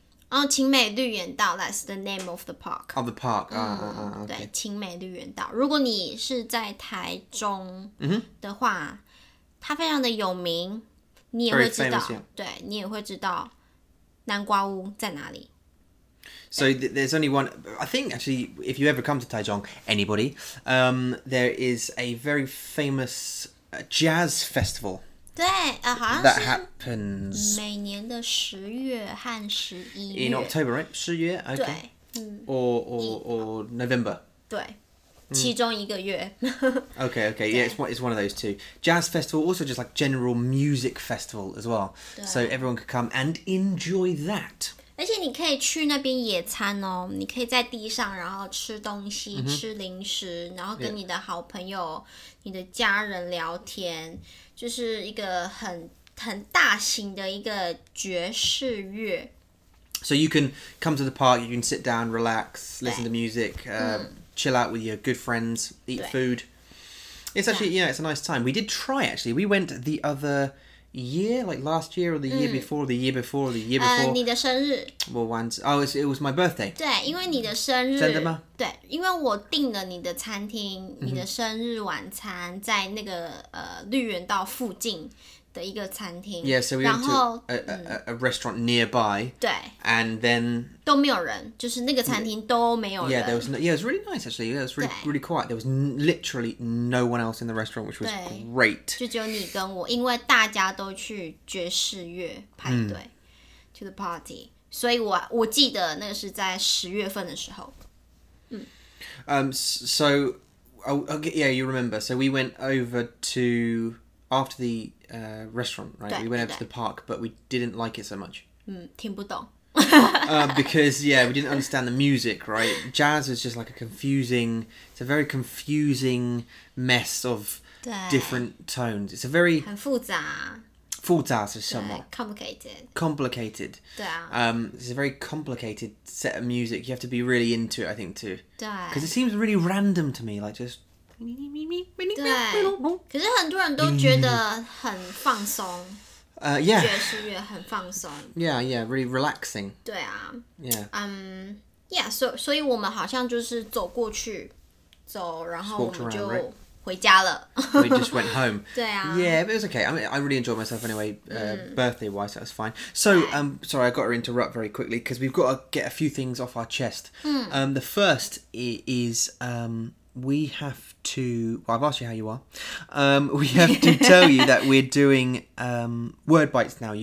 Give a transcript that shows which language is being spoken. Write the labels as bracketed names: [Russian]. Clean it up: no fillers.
[English] 哦，晴美绿园道 ，That's the name of the park。 Of the park 啊啊啊！ [Chinese] 对，晴美绿园道。如果你是在台中的话，它非常的有名，你也会知道。对，你也会知道南瓜屋在哪里。 [English] So there's only one, I think actually, if you ever come to Taichung, anybody, there is a very famous jazz festival [Chinese] 对、好像是 [English] that happens [Chinese] 每年的十月和十一月 [English] in October, right? [Chinese] 十月 [English] okay. [Chinese] 对、 [English] or November. [Chinese] 对、其中一个月 [English] Okay, okay, yeah, it's one of those two. Jazz festival, also just like general music festival as well. [Chinese] 对 [English] So everyone could come and enjoy that. [Chinese] 而且你可以去那边野餐哦，你可以在地上，然后吃东西、吃零食，然后跟你的好朋友、你的家人聊天，就是一个很大型的一个爵士乐。 [English] So you can come to the park, you can sit down, relax, listen to music, chill out with your good friends, eat food. It's actually, yeah, it's a nice time. We did try actually. We went the other. Year like last year or the year before the year before the year before. [Chinese] 你的生日。 [English] Well, once it was my birthday. [Chinese] 对，因为你的生日。真的吗？对，因为我订了你的餐厅，你的生日晚餐在那个绿园道附近的一个餐厅。 [English] Yeah, so we went to a restaurant nearby. [Chinese] 对。 [English] And then [Chinese] 都没有人，就是那个餐厅都没有人。 [English] Yeah, there was no, yeah, it was really nice actually. Yeah, it was really really quiet. There was literally no one else in the restaurant, which was great. [Chinese] 就只有你跟我，因为大家都去爵士乐派对 [English] to the party. [Chinese] 所以我记得那个是在十月份的时候。 [English] So okay, yeah, you remember. So we went over to after therestaurant, right? We went out to the park, but we didn't like it so much. [Chinese] 听不懂 [English] because, yeah, we didn't understand the music, right? Jazz is just like a confusing, it's a very confusing mess of different tones. It's a very... [Chinese] 很复杂。复杂是什么？ [English] Complicated. Complicated. [Chinese] 对啊。 [English] It's a very complicated set of music. You have to be really into it, I think, too. [Chinese] 对。 [English] Because it seems really random to me, like just... [Chinese] 对，可是很多人都觉得很放松。 [English] Yeah. [Chinese] 爵士乐很放松。 [English] Yeah, yeah, really relaxing. [Chinese] 对啊。 [English] Yeah. Yeah. [Chinese] So 我们好像就是走过去，走，然后我们就回家了。 [English] We just went home. [Chinese] 对啊。 [English] Yeah, but it was okay. I mean, I really enjoyed myself anyway. Birthday wise, that was fine. So, sorry, I got to interrupt very quickly because we've got to get a few things off our chest. The first is we have to, well, I've asked you how you are, we have to tell you that we're doing Word Bites now.